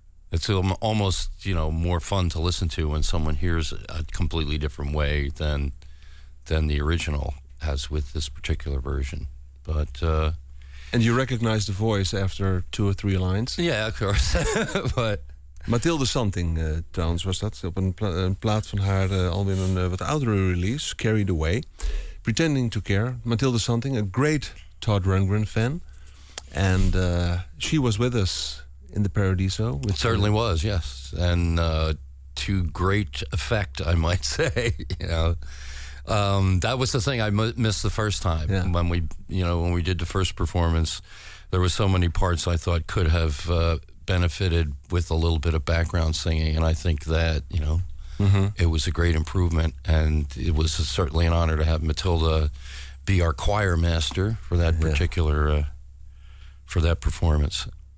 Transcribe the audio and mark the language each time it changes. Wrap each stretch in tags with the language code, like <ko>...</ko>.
<en>It's almost, you know, more fun to listen to when someone hears it a completely different way than the original has with this particular version. But and you recognize the voice after two or three lines? Yeah, of course. But</en> <nl>Mathilde Something, trouwens, was dat. Op een plaat van haar album, een wat oudere release, Carried Away.</nl> <en>Pretending to Care. Mathilde Something, a great Todd Rundgren fan. And she was with us in the Paradiso. It certainly was, yes. And to great effect, I might say. You know, that was the thing I missed the first time. Yeah. When we, you know, when we did the first performance, there were so many parts I thought could have benefited with a little bit of background singing, and I think that, you know, it was a great improvement, and it was certainly an honor to have Mathilde be our choir master for that particular for that performance.</en>